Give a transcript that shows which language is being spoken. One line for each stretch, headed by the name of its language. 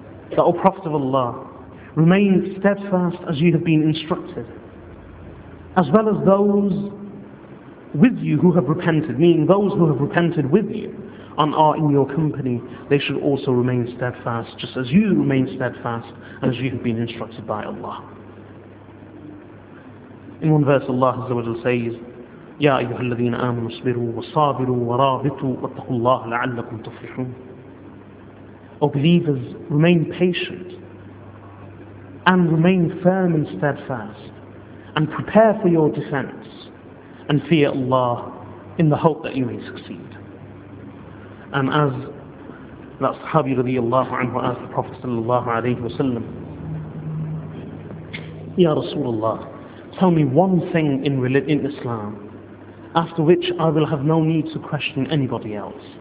English: That, O Prophet of Allah, remain steadfast as you have been instructed, as well as those with you who have repented, meaning those who have repented with you and are in your company, they should also remain steadfast, just as you remain steadfast and as you have been instructed by Allah. In one verse, Allah Azza wa Jalla says,
Arabic: يَا أَيُّهَا الَّذِينَ آمَنُوا اصْبِرُوا وَصَابِرُوا وَرَابِطُوا وَاتَّقُوا اللَّهَ لَعَلَّكُمْ تُفْلِحُونَ.
English: or believers remain patient and remain firm and steadfast and prepare for your defense and fear Allah in the hope that you may succeed. And as that Sahabi radiallahu anhu asked the Prophet sallallahu alayhi wa sallam, Ya Rasulullah, tell me one thing in Islam after which I will have no need to question anybody else.